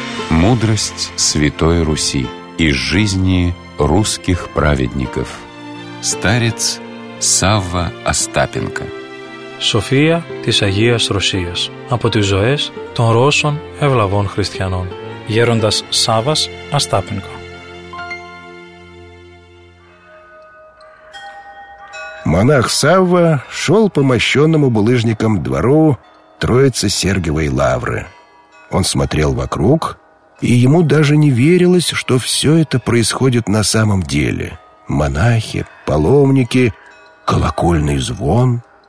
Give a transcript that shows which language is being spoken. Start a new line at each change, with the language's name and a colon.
Russian: Мудрость Святой Руси из жизни русских праведников. Старец Савва Остапенко.
Greek: Σοφία της Αγίας Ρωσίας από τις ζωές των Ρώσων ευλαβών χριστιανών. Γέροντας Σάββας Αστάπενκο. Μονάχ Σάββα
Russian: шел по мощенному булыжником двору Троицы Сергиевой Лавры. Он смотрел вокруг, и ему даже не верилось, что все это происходит на самом деле. Монахи, паломники, колокольный звон.